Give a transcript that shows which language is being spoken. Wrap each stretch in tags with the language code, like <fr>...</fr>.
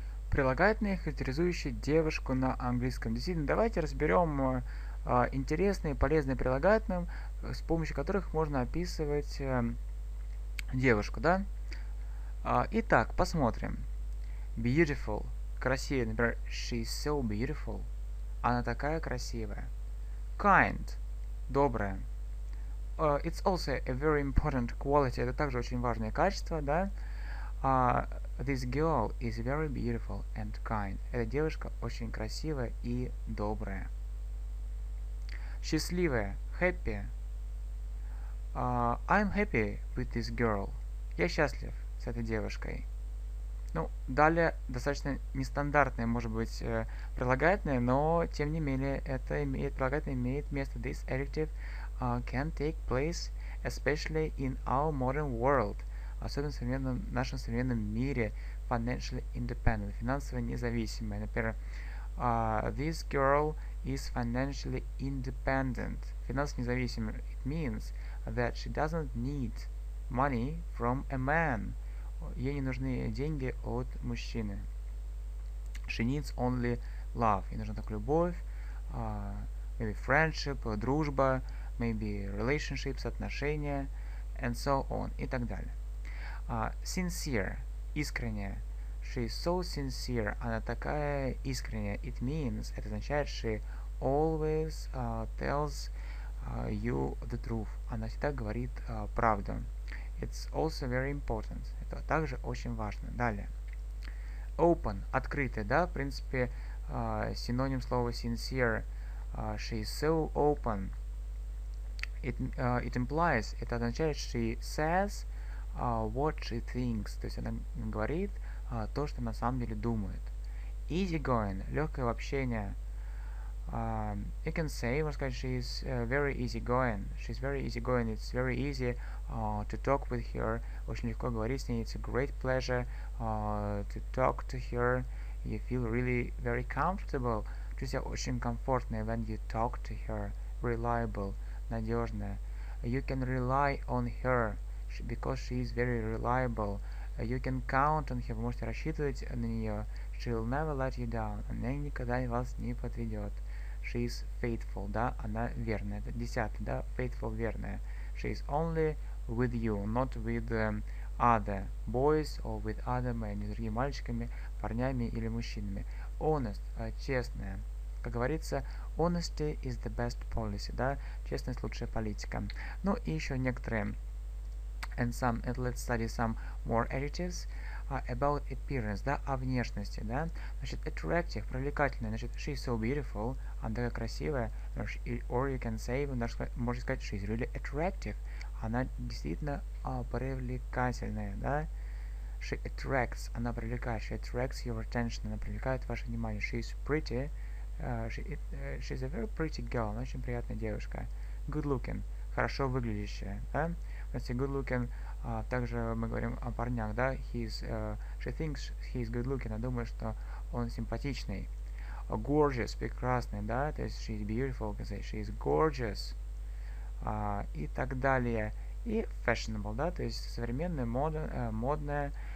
<ru>прилагательные, характеризующие девушку на английском. Действительно, давайте разберем интересные, полезные прилагательные, с помощью которых можно описывать девушку, да? Итак, посмотрим. Beautiful. Красивая, например,</ru> <en>she's so beautiful.</en> <ru>Она такая красивая. Kind. Добрая.</ru> <en>It's also a very important quality.</en> <ru>Это также очень важное качество, да?</ru> <en>This girl is very beautiful and kind.</en> <ru>Эта девушка очень красивая и добрая. Счастливая.</ru> <en>Happy. I'm happy with this girl.</en> <ru>Я счастлив с этой девушкой. Ну, далее достаточно нестандартное, может быть, прилагательное, но, тем не менее, это имеет, прилагательное имеет место.</ru> <en>This adjective can take place, especially in our modern world.</en> <ru>Особенно в современном, нашем современном мире.</ru> <en>Financially independent,</en> <ru>финансово независимая. Например,</ru> <en>this girl is financially independent.</en> <ru>Финансово независимая.</ru> <en>It means that she doesn't need money from a man.</en> <ru>Ей не нужны деньги от мужчины.</ru> <en>She needs only love.</en> <ru>Ей нужна только любовь.</ru> <en>Maybe friendship, дружба. Maybe relationships, отношения. And so on.</en> <ru>И так далее. Sincere. Искренняя.</ru> <en>She is so sincere.</en> <ru>Она такая искренняя.</ru> <en>It means,</en> <ru>это означает,</ru> <en>she always tells you the truth.</en> <ru>Она всегда говорит правду.</ru> <en>It's also very important.</en> <ru>Это также очень важно. Далее. Open. Открытая, да? В принципе, синоним слова sincere.</ru> <en>She is so open. It implies,</en> <ru>это означает,</ru> <en>she says what she thinks.</en> <ru>То есть она говорит то, что на самом деле думает.</ru> <en>Easy going.</en> <ru>Легкое в общении.</ru> <en>You can say,</en> <ru>можно сказать,</ru> <en>she's very easy going. She's very easy going. It's very easy to talk with her.</en> <ru>Очень легко говорить с ней.</ru> <en>It's a great pleasure to talk to her. You feel really very comfortable.</en> <ru>Ты себя очень комфортно,</ru> <en>when you talk to her. Reliable. Надежная. You can rely on her, because she is very reliable. You can count on her.</en> <ru>Вы можете рассчитывать на нее.</ru> <en>She'll never let you down.</en> <ru>Она никогда вас не подведет.</ru> <en>She is faithful,</en> <ru>да, она верная. Это десятый, да, faithful, верная.</ru> <en>She is only with you, not with other boys or with other men,</en> <ru>с другими мальчиками, парнями или мужчинами. Honest, честная. Как говорится,</ru> <en>honesty is the best policy,</en> <ru>да, честность лучшая политика. Ну и еще некоторые.</ru> <en>And let's study some more adjectives. About appearance,</en> <ru>да, о внешности, да. Значит, attractive, привлекательная. Значит,</ru> <en>she's so beautiful,</en> <ru>она такая красивая.</ru> <en>Or you can say,</en> <ru>вы можете сказать,</ru> <en>she's really attractive.</en> <ru>Она действительно привлекательная, да.</ru> <en>She attracts,</en> <ru>она привлекает.</ru> <en>She attracts your attention,</en> <ru>она привлекает ваше внимание.</ru> <en>She's pretty, she's a very pretty girl,</en> <ru>она очень приятная девушка.</ru> <en>Good looking,</en> <ru>хорошо выглядящая, да. Значит, good looking. Также мы говорим о парнях, да?</ru> <en>She thinks he's good looking.</en> <ru>Она думает, что он симпатичный. Gorgeous, прекрасный, да? То есть</ru> <en>she's beautiful, can say she's gorgeous.</en> <ru>И так далее. И fashionable, да? То есть современная, модная.</ru>